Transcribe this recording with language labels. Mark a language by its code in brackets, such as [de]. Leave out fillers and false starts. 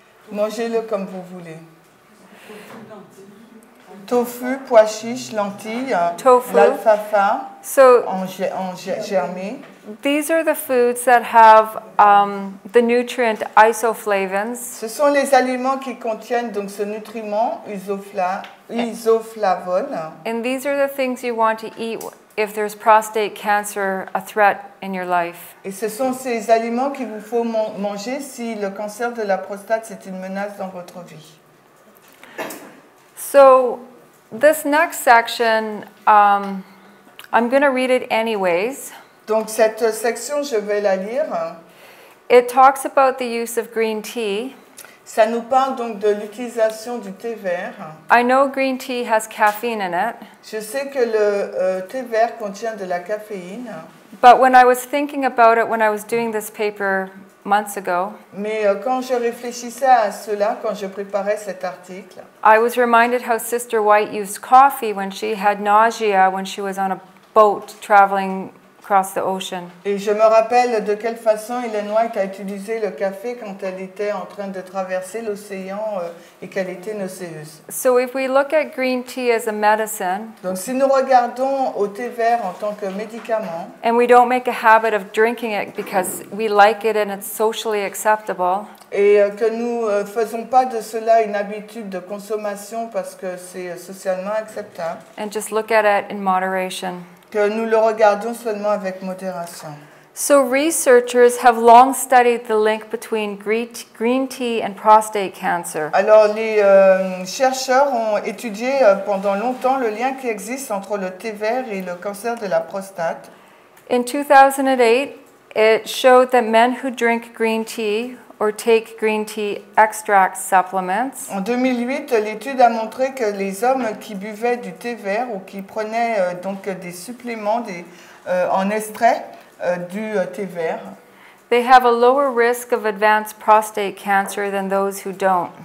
[fr] Mangez-le comme vous voulez. Tofu, pois chiches, lentilles, tofu, l'alfalfa, so, en germée. [en] These are the foods that have the nutrient isoflavones. [fr] Ce sont les aliments qui contiennent donc ce nutriment isoflavone. [en] And these are the things you want to eat if there's prostate cancer a threat in your life. [fr] Et ce sont ces aliments qu'il vous faut manger si le cancer de la prostate c'est une menace dans votre vie. [en] So, this next section, I'm going to read it anyways. [fr] Donc cette section, je vais la lire. [en] It talks about the use of green tea. [fr] Ça nous parle donc de l'utilisation du thé vert. [en] I know green tea has caffeine in it. [fr] Je sais que le thé vert contient de la caféine. [en] But when I was thinking about it, when I was doing this paper months ago. [fr] Mais quand je réfléchissais à cela, quand je préparais cet article, [en] I was reminded how Sister White used coffee when she had nausea when she was on a boat traveling across the ocean. [fr] Et je me rappelle de quelle façon Ellen White a utilisé le café quand elle était en train de traverser l'océan et qu'elle était nauséeuse. [en] So if we look at green tea as a medicine, [fr] donc si nous regardons au thé vert en tant que médicament, [en] and we don't make a habit of drinking it because we like it and it's socially acceptable, [fr] et que nous faisons pas de cela une habitude de consommation parce que c'est socialement acceptable, [en] and just look at it in moderation, [fr] que nous le regardons seulement avec modération. [en] So researchers have long studied the link between green tea and prostate cancer. [fr] Alors les chercheurs ont étudié pendant longtemps le lien qui existe entre le thé vert et le cancer de la prostate. [en] In 2008, it showed that men who drink green tea or take green tea extract supplements. [fr] En 2008, l'étude a montré que les hommes qui buvaient du thé vert ou qui prenaient donc des suppléments en extrait du thé vert, [en] they have a lower risk of advanced prostate cancer than those who don't.